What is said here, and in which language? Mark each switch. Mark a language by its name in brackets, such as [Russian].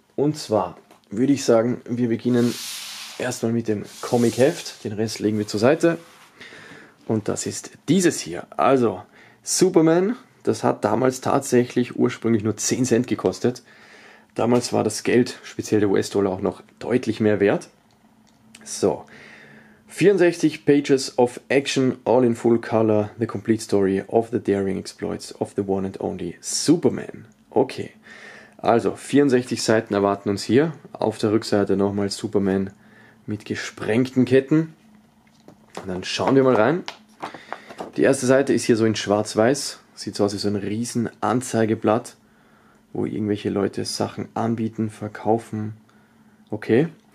[German] Und zwar würde ich sagen, wir beginnen erstmal mit dem Comic-Heft. Den Rest legen wir zur Seite. Und das ist dieses hier. Also, Superman, das hat damals tatsächlich ursprünglich nur 10 Cent gekostet. Damals war das Geld, speziell der US-Dollar, auch noch deutlich mehr wert. So, [English] 64 Pages of Action, all in full color, the complete story of the daring exploits of the one and only Superman. [German] Okay, also 64 Seiten erwarten uns hier. Auf der Rückseite nochmal Superman mit gesprengten Ketten. Und dann schauen wir mal rein. Die erste Seite ist hier so in Schwarz-Weiß. Sieht so aus wie so ein riesen Anzeigeblatt, wo irgendwelche Leute Sachen anbieten, verkaufen. Okay.